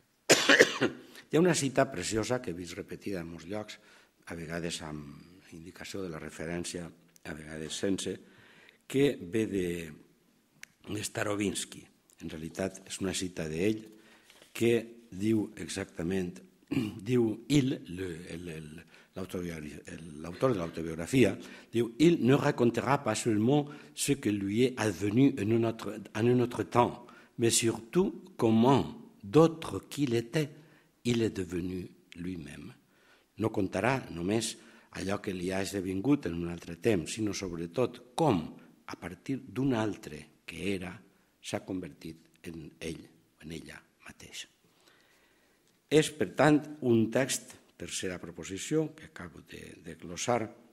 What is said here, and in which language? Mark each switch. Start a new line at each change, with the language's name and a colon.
Catalan: Hi ha una cita preciosa que he vist repetida en molts llocs, a vegades amb indicació de la referència, a vegades sense, que ve de Starobinsky. En realitat, és una cita d'ell que diu exactament... Diu, l'autor de l'autobiografia, diu,
French: «Il ne racontera pas seulement ce que lui est advenu en un autre temps, mais surtout comment, d'autre qu'il était, il est devenu lui-même.
Catalan: No contarà només allò que li ha esdevingut en un altre temps, sinó sobretot com, a partir d'un altre que era, s'ha convertit en ell, en ella mateixa». És, per tant, un text, tercera proposició, que acabo de glossar.